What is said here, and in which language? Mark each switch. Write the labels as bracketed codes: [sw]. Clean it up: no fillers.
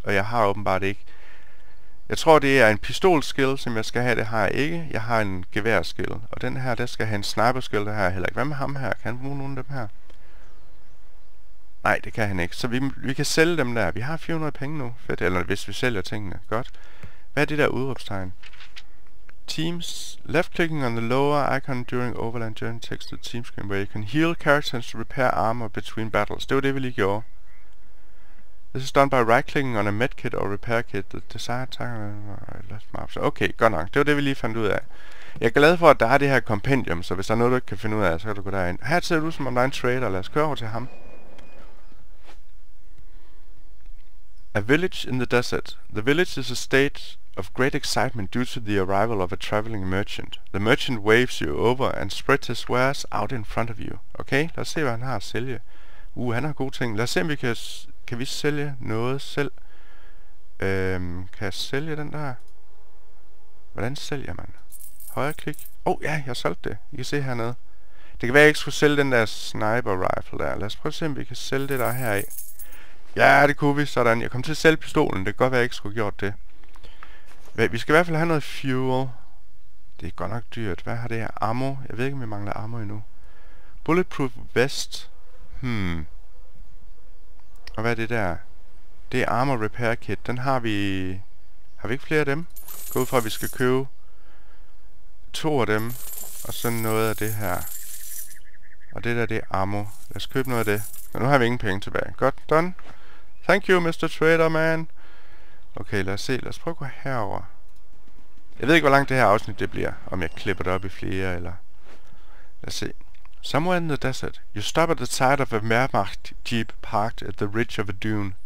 [da] Og jeg har åbenbart ikke. Jeg tror, det er en pistol skill, som jeg skal have. Det har jeg ikke. Jeg har en gevær skill. Og den her, der skal have en sniper skill. Det har jeg heller ikke. Hvad med ham her? Kan han bruge nogen af dem her? Nej, det kan han ikke. Så vi kan sælge dem der. Vi har 400 penge nu. Fedt. Eller hvis vi sælger tingene. Godt. Hvad er det der udråbstegn? [en] Teams. Left clicking on the lower icon during overland journey text to the team screen, where you can heal characters to repair armor between battles. [da] Det var det, vi lige gjorde. [en] This is done by right clicking on a medkit or repair kit. The desired target. [da] Okay, godt nok. Det var det, vi lige fandt ud af. Jeg er glad for, at der er det her kompendium, så hvis der er noget, du ikke kan finde ud af, så kan du gå derind. Her ser du som om der er en trader. Lad os køre over til ham. [en] A village in the desert. The village is a state of great excitement due to the arrival of a traveling merchant. The merchant waves you over and spreads his wares out in front of you. [da] Okay, lad os se, hvad han har at sælge. Han har gode ting. Lad os se, om vi kan... Kan vi sælge noget selv? Kan jeg sælge den der? Hvordan sælger man? Højre klik. Ja, jeg solgte det. I kan se hernede. Det kan være, jeg ikke skulle sælge den der sniper rifle der. Lad os prøve at se, om vi kan sælge det der her i. Ja, det kunne vi. Sådan. Jeg kom til at sælge pistolen. Det kan godt være, jeg ikke skulle gjort det. Vi skal i hvert fald have noget fuel. Det er godt nok dyrt. Hvad har det her? Ammo? Jeg ved ikke, om vi mangler ammo endnu. [en] Bulletproof vest. [da] Og hvad er det der? Det er armor repair kit. Den har vi... Har vi ikke flere af dem? Gå ud fra, at vi skal købe to af dem. Og så noget af det her. Og det der, det er ammo. Lad os købe noget af det. Og nu har vi ingen penge tilbage. Godt, done. [en] Thank you, Mr. Trader Man. [da] Okay, lad os se. Lad os prøve at gå herover. Jeg ved ikke, hvor langt det her afsnit det bliver. Om jeg klipper det op i flere, eller... Lad os se. [en] Somewhere in the desert, you stop at the side of a Wehrmacht jeep parked at the ridge of a dune.